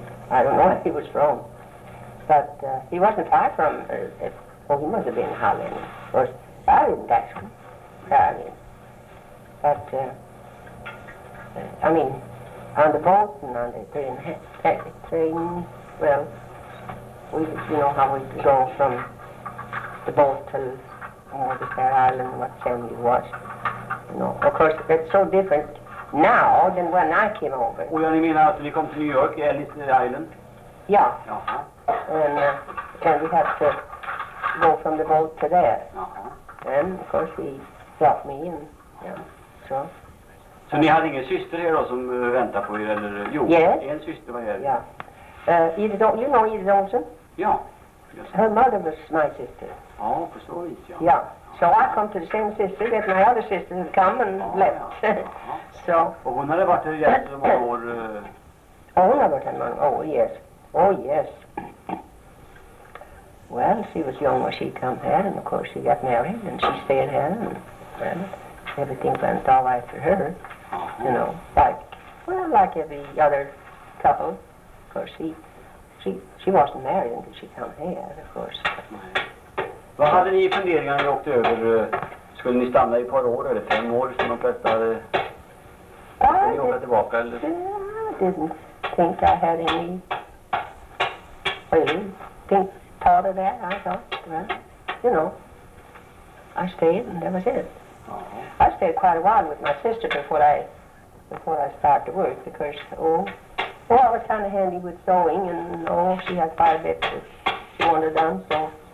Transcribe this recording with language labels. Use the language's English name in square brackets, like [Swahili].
[English] I don't know where he was from, but he wasn't far from, he must have been Holland, of course. I didn't ask him, on the boat and on the train, well, we, you know how we go from the boat to the Fair Island, what family it was, you know. Of course, it's so different now than when I came over. [Swedish] Och ja, ni menar att ni kom till New York, Ellis Island? Ja. [English] And we had to go from the boat to there. And of course he brought me in. So [Swedish] ni hade ingen syster här då som väntar på er, eller? Jo, en syster var här. [English] Ja. You know Edith Olsen? [Swedish] Ja. [English] Her mother was my sister. [Swedish] Ja, förstår vi. Ja. [English] So I come to the same sister that my other sister had come and left. So. [Swedish] Och hon hade varit här jättemånga år. Oh, hon hade varit här många år, yes. [English] Oh, yes. Well, she was young when she came here, and of course she got married and she stayed here, and well, everything went all right for her. You know, like every other couple. Of course, she wasn't married until she came here, of course. [Swedish] Vad hade ni i funderingar när ni åkte över? Skulle ni stanna i ett par år eller fem år som de flesta hade jobbat tillbaka? Eller? [English] I didn't think I had any... Well, think part of that, I thought, well, you know. I stayed and that was it. I stayed quite a while with my sister before I started to work because, I was kind of handy with sewing and, she had quite a bit that she wanted done, so...